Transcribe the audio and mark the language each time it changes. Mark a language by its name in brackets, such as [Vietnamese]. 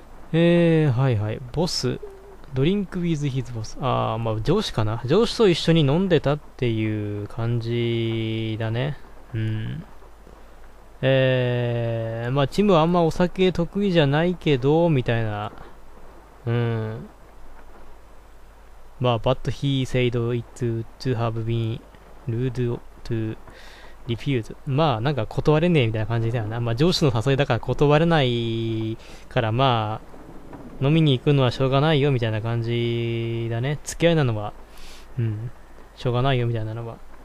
[English] はいはい。ボス。ドリンクウィズヒズボス。 [Japanese] ああ、まあ、上司かな。上司と一緒に飲んでたっていう感じだね。まあ、ティムはあんまお酒得意じゃないけど、みたいな。 [English] まあ、but he said it to have been rude to refuse. [Japanese] まあ、なんか断れねえみたいな感じだよな。まあ、上司の誘いだから断れないから、まあ、飲みに行くのはしょうがないよみたいな感じだね。付き合いなのは、しょうがないよみたいなのは。